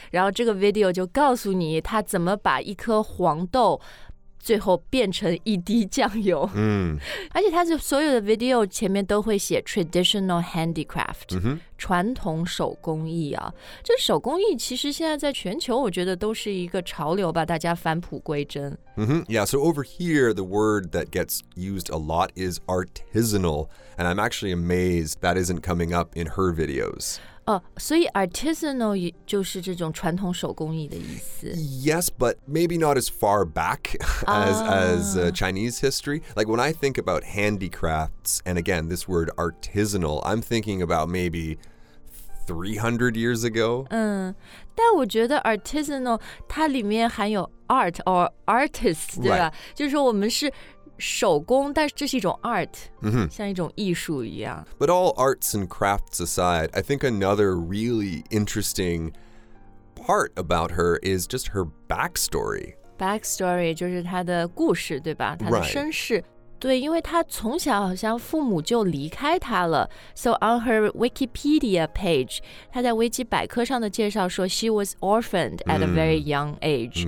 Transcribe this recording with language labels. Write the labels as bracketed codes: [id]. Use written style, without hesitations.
[zh] 然后这个 video 就告诉你他怎么把一颗黄豆最后变成一滴酱油。嗯，而且他的所有的 video 前面都会写 traditional handicraft，传统手工艺啊。这手工艺其实现在在全球，我觉得都是一个潮流吧，大家返璞归真。 [en] 嗯哼 ，Yeah. So over here, the word that gets used a lot is artisanal, and I'm actually amazed that isn't coming up in her videos. [zh] 所以 artisanal 就是这种传统手工艺的意思。 [en] Yes, but maybe not as far back as Chinese history. Like when I think about handicrafts, and again, this word artisanal, I'm thinking about maybe 300 years ago. [zh] 嗯，但我觉得 artisanal 它里面含有 [en] art or artist, [zh] 对吧？就是说我们是手工，但是这是一种 art，像一种艺术一样。 [en] But all arts and crafts aside, I think another really interesting part about her is just her backstory. [zh] Backstory 就是她的故事，对吧？她的身世。 [en] Right. [zh] 对，因为她从小好像父母就离开她了。 [en] So on her Wikipedia page, [zh] 她在维基百科上的介绍说 [en] she was orphaned at a very young age.